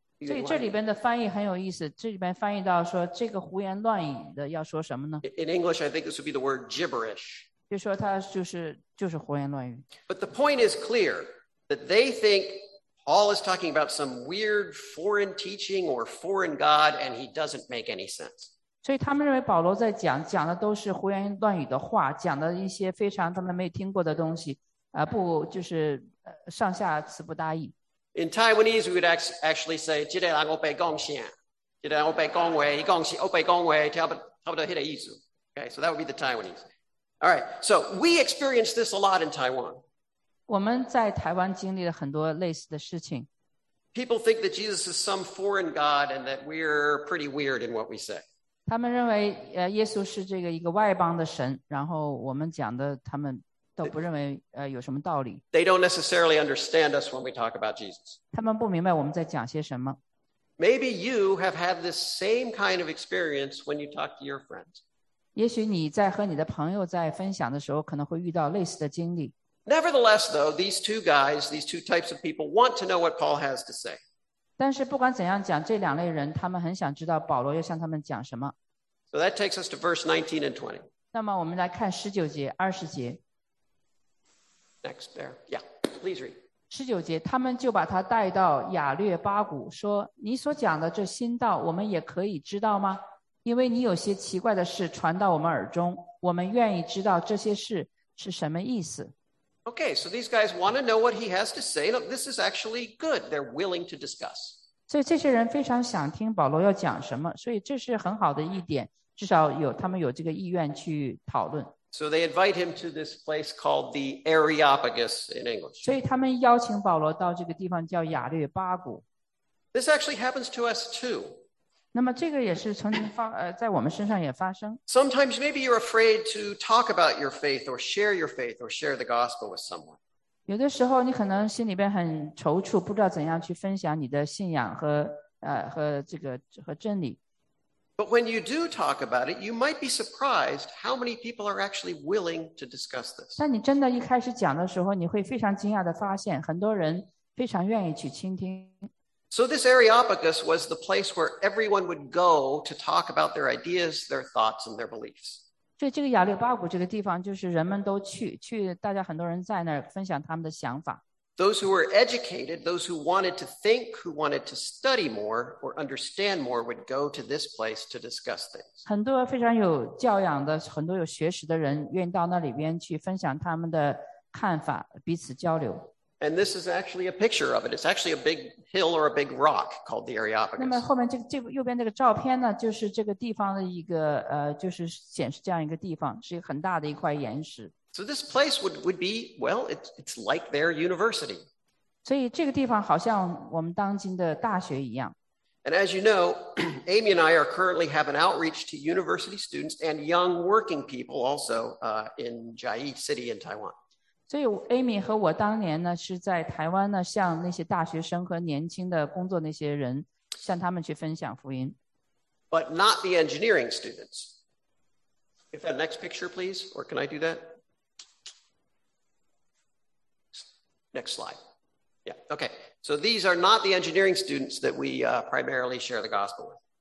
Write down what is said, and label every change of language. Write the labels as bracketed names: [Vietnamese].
[Chinese] 所以这里边的翻译很有意思，这里边翻译到说这个胡言乱语的要说什么呢？ [English] In English, I think this would be the word gibberish. [Chinese] 就说他就是胡言乱语。 [English] But the point is clear. That they think Paul is talking about some weird foreign teaching or foreign god, and he doesn't make any sense. [Chinese] 所以他们认为保罗在讲的都是胡言乱语的话，讲的一些非常他们没听过的东西，不就是上下词不搭意。 [English] In Taiwanese, we would actually say, 这个人我被讲先，这个人我被讲话，他讲先，我被讲话，差不多这个意思。 Okay, so that would be the Taiwanese. All right, so we experience this a lot in Taiwan. [Chinese] 我们在台湾经历了很多类似的事情。 [English] People think that Jesus is some foreign god and that we're pretty weird in what we say. [Chinese] 他们认为耶稣是这个一个外邦的神，然后我们讲的他们都不认为有什么道理。 [English] They don't necessarily understand us when we talk about Jesus. [Chinese] 他们不明白我们在讲些什么。 [English] Maybe you have had this same kind of experience when you talk to your friends. [Chinese] 也许你在和你的朋友在分享的时候可能会遇到类似的经历。 [English] Nevertheless, though, these two guys, these two types of people want to know what Paul has to say. [Chinese] 但是不管怎样讲，这两类人，他们很想知道保罗要向他们讲什么。 [English] So that takes us to verse 19 and 20. [Chinese] 那么我们来看十九节、二十节。 [English] Next there. Yeah, please read. [Chinese] 十九节，他们就把他带到亚略巴谷，说，你所讲的这新道，我们也可以知道吗？因为你有些奇怪的事传到我们耳中，我们愿意知道这些事是什么意思。 [English] Okay, so these guys want to know what he has to say. Look, this is actually good. They're willing to discuss. [Chinese] 所以这些人非常想听保罗要讲什么，所以这是很好的一点，至少有他们有这个意愿去讨论。 [English] So they invite him to this place called the Areopagus in English. [Chinese] 所以他们邀请保罗到这个地方叫亚略巴谷。 [English] This actually happens to us too. [Chinese] 那么这个也是曾经在我们身上也发生。 [English] Sometimes maybe you're afraid to talk about your faith or share your faith or share the gospel with someone. [Chinese] 有的时候你可能心里边很踌躇，不知道怎样去分享你的信仰和真理。 [English] But when you do talk about it, you might be surprised how many people are actually willing to discuss this. [Chinese] 但你真的一开始讲的时候，你会非常惊讶的发现，很多人非常愿意去倾听。 [English] So this Areopagus was the place where everyone would go to talk about their ideas, their thoughts, and their beliefs. [Chinese] 所以这个亚略巴谷这个地方就是人们都去，大家很多人在那儿分享他们的想法。 [English] Those who were educated, those who wanted to think, who wanted to study more or understand more would go to this place to discuss things. [Chinese] 很多非常有教养的，很多有学识的人愿意到那里边去分享他们的看法，彼此交流。 [English] And this is actually a picture of it. It's actually a big hill or a big rock called the Areopagus. [Chinese] 那么后面这个右边这个照片呢，就是这个地方的一个就是显示这样一个地方，是一个很大的一块岩石。 [English] So this place would be, well, it's like their university. [Chinese] 所以这个地方好像我们当今的大学一样。 [English] And as you know, Amy and I are currently have an outreach to university students and young working people also in Jiayi City in Taiwan. [Chinese] 所以 Amy 和我当年呢是在台湾呢向那些大学生和年轻的工作那些人向他们去分享福音。 [English] But not the engineering students. If that next picture, please, or can I do that? Next slide. Yeah, okay. So these are not the engineering students that we primarily share the gospel with.